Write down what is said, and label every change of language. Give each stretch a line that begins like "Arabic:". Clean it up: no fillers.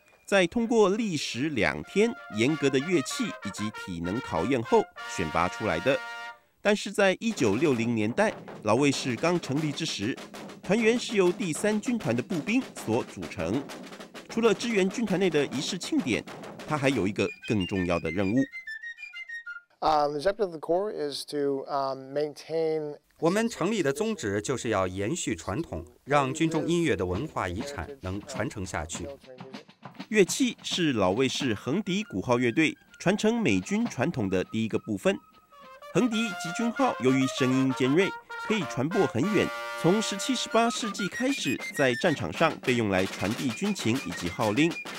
Chinese: 在通过历时2天严格的乐器以及体能考验后选拔出来的。但是在1960年代，老卫士刚成立之时，团员是由第三军团的步兵所组成。除了支援军团内的仪式庆典，他还有一个更重要的任务。
English: The objective of the Corps is to maintain。
Chinese: 我们成立的宗旨就是要延续传统，让军中音乐的文化遗产能传承下去。乐器是老卫士横笛鼓号乐队传承美军传统的第一个部分。横笛及军号由于声音尖锐，可以传播很远，从17、18世纪开始在战场上被用来传递军情以及号令。